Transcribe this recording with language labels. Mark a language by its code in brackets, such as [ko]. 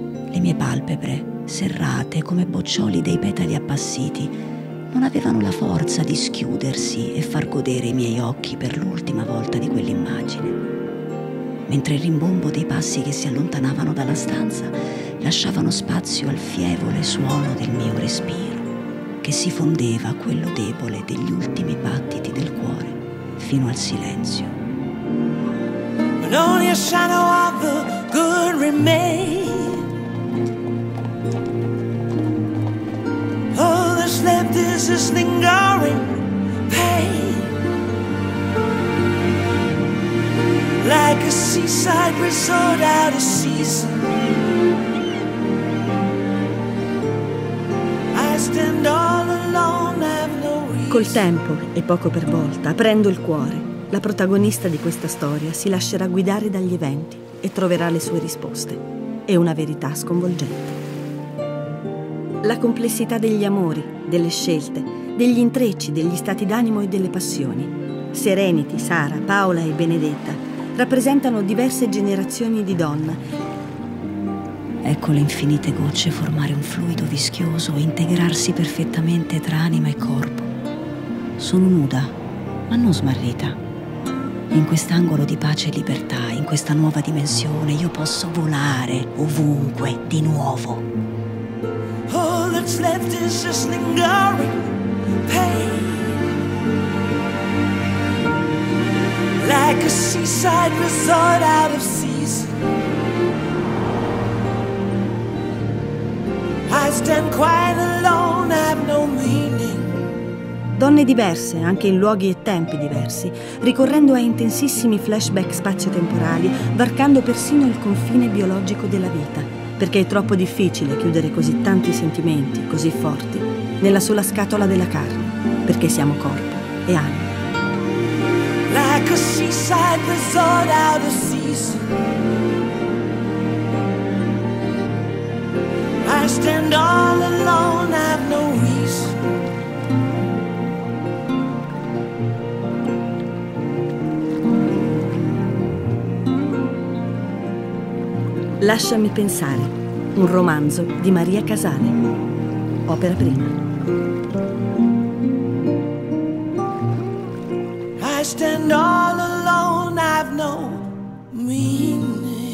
[it] Le mie palpebre, serrate come boccioli dei petali appassiti, non avevano la forza di schiudersi e far godere i miei occhi per l'ultima volta di quell'immagine. Mentre il rimbombo dei passi che si allontanavano dalla stanza lasciavano spazio al fievole suono del mio respiro, che si fondeva a quello debole degli ultimi battiti del cuore fino al silenzio. [en] But only a shadow of the good remains. All that's left is this lingering pain. Like a seaside resort out of season, I stand all alone, have no reason. [it] Col tempo e poco per volta, aprendo il cuore, la protagonista di questa storia si lascerà guidare dagli eventi e troverà le sue risposte e una verità sconvolgente. La complessità degli amori, delle scelte, degli intrecci, degli stati d'animo e delle passioni. Serenity, Sara, Paola e Benedetta rappresentano diverse generazioni di donna. Ecco le infinite gocce formare un fluido vischioso e integrarsi perfettamente tra anima e corpo. Sono nuda, ma non smarrita. In quest'angolo di pace e libertà, in questa nuova dimensione, io posso volare ovunque di nuovo. [en] All that's left is just lingering pain. Like a seaside resort out of season. I stand quite alone, have no meaning. [it] Donne diverse, anche in luoghi e tempi diversi, ricorrendo a intensissimi flashback spazio-temporali, varcando persino il confine biologico della vita, perché è troppo difficile chiudere così tanti sentimenti, così forti, nella sola scatola della carne, perché siamo corpo e anima. [en] Like a seaside resort out of season. I stand all alone, have no reason. [it] Lasciami pensare, un romanzo di Maria Casale, opera prima. [en] I stand all alone, I've no meaning.